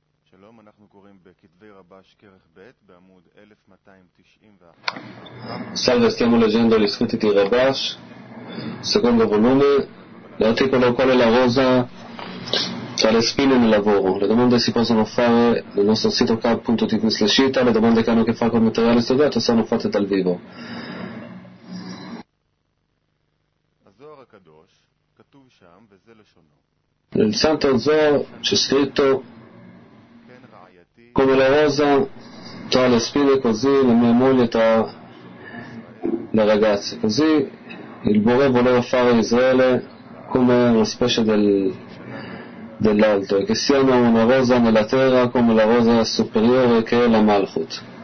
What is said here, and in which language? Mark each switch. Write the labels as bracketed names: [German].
[Hebrew] שלום, אנחנו קוראים בכתבי רבש כרך ב' בעמוד 1291. [Italian] Salve, stiamo leggendo gli scritti di Rabash, secondo volume, l'articolo quale la rosa tra le spine nel lavoro. Le domande si possono fare nel nostro sito cap.tv/ita, le domande che hanno a che fare con il materiale studiato sono fatte dal vivo. [Hebrew] Azor HaKadosh, כתוב שם, וזה לשונו. [Italian] Il Santo Azor c'è scritto come la rosa tra le spine, così la mia moglie tra le ragazze. Così il Bore voleva fare Israele come una specie dell'alto, e che siano una rosa nella terra come la rosa superiore che è la Malchut.